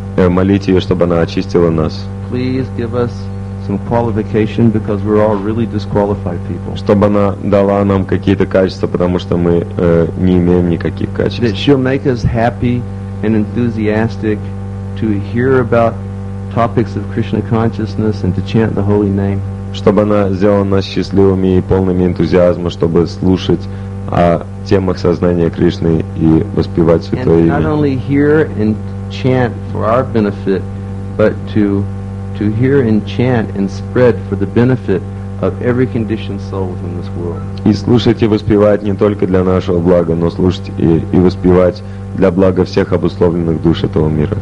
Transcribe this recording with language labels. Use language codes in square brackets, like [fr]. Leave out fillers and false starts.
[ru] Молить ее, чтобы она очистила нас. [en] Please give us some qualification because we're all really disqualified people. [ru] Чтобы она дала нам какие-то качества, потому что мы не имеем никаких качеств. [en] That she'll make us happy and enthusiastic to hear about topics of Krishna consciousness and to chant the holy name. [ru] Чтобы она сделала нас счастливыми и полными энтузиазма, чтобы слушать о темах сознания Кришны и воспевать святое имя. [en] And not only hear and chant for our benefit, but to hear and chant and spread for the benefit of every conditioned soul within this world. [ru] И слушать и воспевать не только для нашего блага, но слушать и воспевать для блага всех обусловленных душ этого мира.